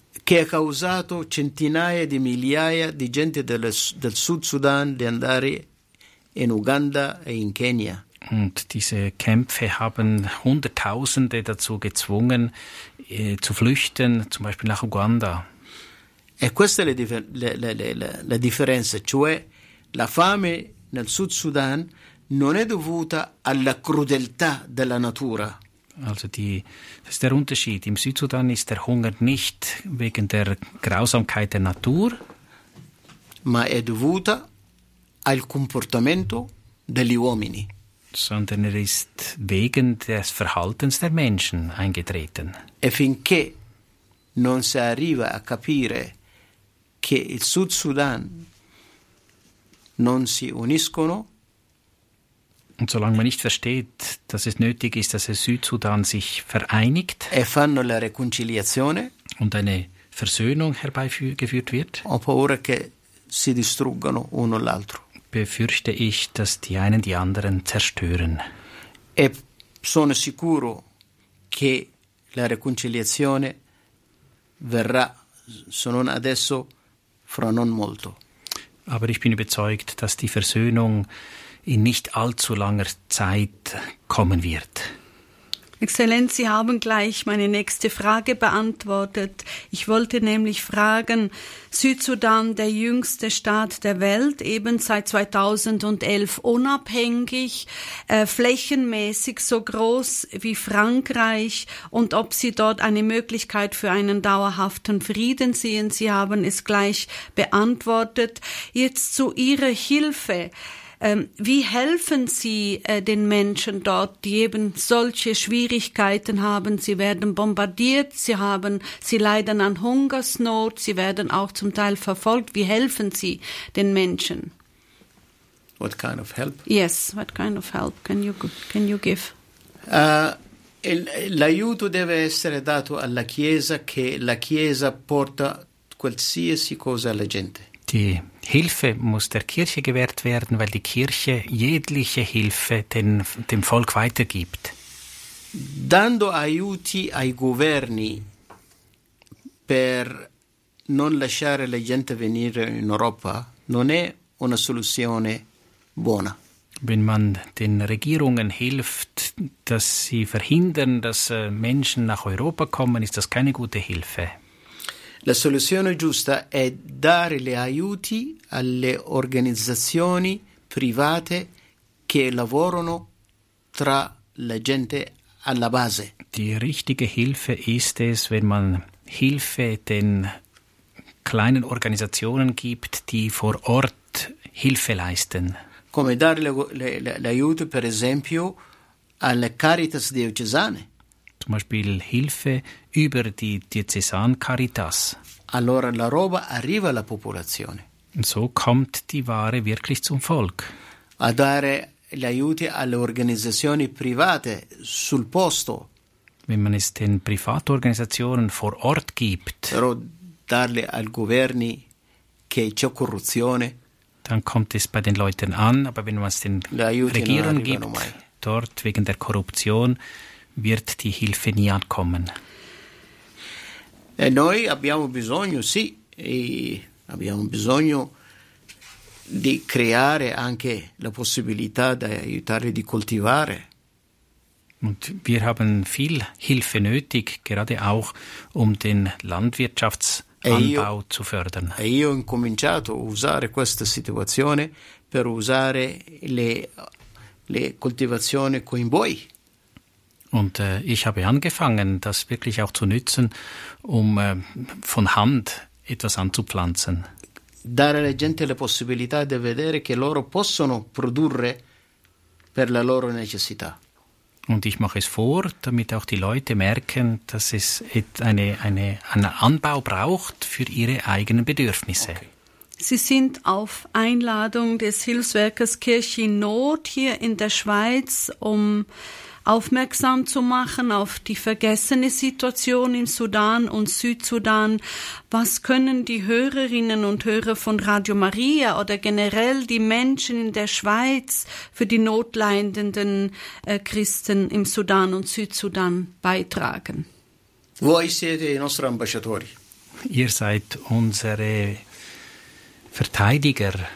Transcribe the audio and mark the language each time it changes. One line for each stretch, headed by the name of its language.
Italian: Che ha causato centinaia di migliaia di gente del Sud Sudan di andare in Uganda e in Kenya.
German: Und diese Kämpfe haben Hunderttausende dazu gezwungen, zu flüchten, zum Beispiel nach Uganda.
Italian: E questa è la differenza, cioè la fame nel Sud Sudan non è dovuta alla crudeltà della natura.
German: Also das ist der Unterschied. Im Südsudan ist der Hunger nicht wegen der Grausamkeit der Natur,
Italian: ma è dovuta al comportamento degli uomini.
German: Sondern er ist wegen des Verhaltens der Menschen eingetreten.
Italian: E finché non si arriva a capire che il Sud Sudan non si uniscono.
German: Und solange man nicht versteht, dass es nötig ist, dass der Südsudan sich vereinigt
Italian: e fanno la riconciliazione,
German: und eine Versöhnung herbeigeführt wird,
Italian: ho paura che si distruggano uno l'altro.
German: Befürchte ich, dass die einen die anderen zerstören.
Italian: E sono sicuro che la riconciliazione verrà, se non adesso, fra non molto.
German: Aber ich bin überzeugt, dass die Versöhnung in nicht allzu langer Zeit kommen wird. Exzellenz, Sie haben gleich meine nächste Frage beantwortet. Ich wollte nämlich fragen, Südsudan, der jüngste Staat der Welt, eben seit 2011 unabhängig, flächenmäßig so groß wie Frankreich, und ob Sie dort eine Möglichkeit für einen dauerhaften Frieden sehen. Sie haben es gleich beantwortet. Jetzt zu Ihrer Hilfe. Wie helfen Sie den Menschen dort, die eben solche Schwierigkeiten haben? Sie werden bombardiert, sie leiden an Hungersnot, sie werden auch zum Teil verfolgt. Wie helfen Sie den Menschen?
English: What kind of help? Yes, what kind of help can you give?
Italian: L'aiuto deve essere dato alla Chiesa, che la Chiesa porta qualsiasi cosa alla gente.
German: Die Hilfe muss der Kirche gewährt werden, weil die Kirche jegliche Hilfe dem Volk weitergibt.
Italian: Dando aiuti ai governi per non lasciare la gente venire in Europa, non è una soluzione buona.
German: Wenn man den Regierungen hilft, dass sie verhindern, dass Menschen nach Europa kommen, ist das keine gute Hilfe.
Italian: La soluzione giusta è dare gli aiuti alle organizzazioni private che lavorano tra la gente alla base.
German: Die richtige Hilfe ist es, wenn man Hilfe den kleinen Organisationen gibt, die vor Ort Hilfe leisten.
Italian: Come dare l'aiuto, per esempio, alle Caritas diocesane.
German: Zum Beispiel Hilfe über die Diözesan Caritas.
Italian: Allora la roba arriva alla popolazione.
German: Und so kommt die Ware wirklich zum Volk.
Italian: A dare gli aiuti alle organizzazioni private sul posto.
German: Wenn man es den Privatorganisationen vor Ort gibt.
Italian: Però darle al governi che c'è corruzione.
German: Dann kommt es bei den Leuten an, aber wenn man es den Regierungen gibt,
Italian: mai.
German: Dort wegen der Korruption, wird die Hilfe nie ankommen.
Italian: E noi abbiamo bisogno, sì, abbiamo bisogno di creare anche la possibilità di aiutare di coltivare.
German: Und wir haben viel Hilfe nötig, gerade auch um den Landwirtschaftsanbau zu fördern.
Italian: E io ho incominciato a usare questa situazione per usare le coltivazioni con i buoi.
German: Und ich habe angefangen, das wirklich auch zu nützen, um von Hand etwas anzupflanzen.
Italian: Dare alla gente la possibilità di vedere che loro possono produrre per la loro necessità.
German: und ich mache es vor, damit auch die Leute merken, dass es einen Anbau braucht für ihre eigenen Bedürfnisse. Okay. Sie sind auf Einladung des Hilfswerkes Kirche in Not hier in der Schweiz, um aufmerksam zu machen auf die vergessene Situation im Sudan und Südsudan. Was können die Hörerinnen und Hörer von Radio Maria oder generell die Menschen in der Schweiz für die notleidenden Christen im Sudan und Südsudan beitragen?
Italian: Voi siete i nostri ambasciatori.
German: Ihr seid unsere Verteidiger.